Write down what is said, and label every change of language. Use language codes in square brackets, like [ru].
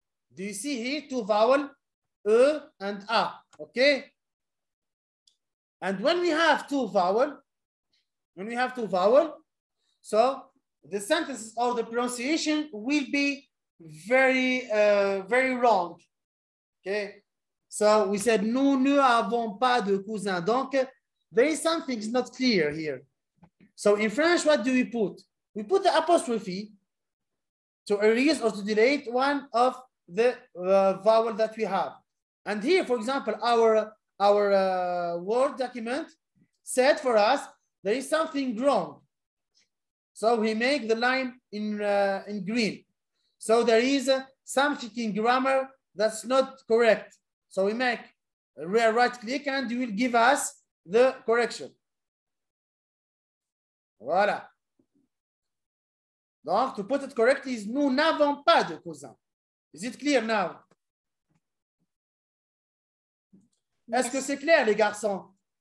[en] Do you see here two vowels? E and A. Okay? And when we have two vowels, so... the sentences or the pronunciation will be very, very wrong. Okay. So we said, [fr] nous ne avons pas de cousins. [en] Donc, there is something not clear here. So in French, what do we put? We put the apostrophe to erase or to delete one of the vowel that we have. And here, for example, our word document said for us, there is something wrong. So we make the line in green. So there is something in grammar that's not correct. So we make a right click and you will give us the correction. [fr] Voilà. [en] Donc, to put it correctly, is [fr] nous n'avons pas de cousin. [en] Is it clear now? Yes. [fr] Est-ce que c'est clair, les garçons?